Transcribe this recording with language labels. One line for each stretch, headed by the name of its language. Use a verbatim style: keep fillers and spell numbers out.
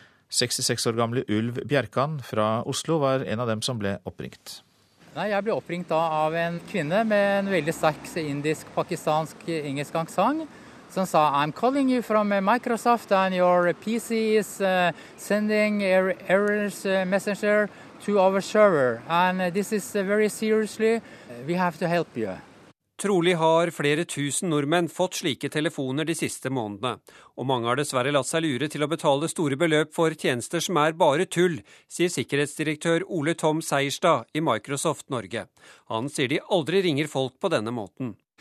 Norwegian: sekstiseks år gamle Ulv Bjerkan fra Oslo var en av dem som ble oppringt. Nei, jeg ble oppringt av en kvinne med en veldig sterk indisk-pakistansk-engelsk aksent, som sa «I'm calling you from Microsoft and your P C is uh, sending er- errors uh, messenger to our server.
English: And this is uh, very seriously, we have to help you».
Norwegian: Trolig har flere tusen nordmenn fått slike telefoner de siste månedene, og mange har dessverre latt seg lure til å betale store beløp for tjenester som er bare tull, sier sikkerhetsdirektør Ole Tom Seierstad i Microsoft Norge. Han sier de aldri ringer folk på denne måten.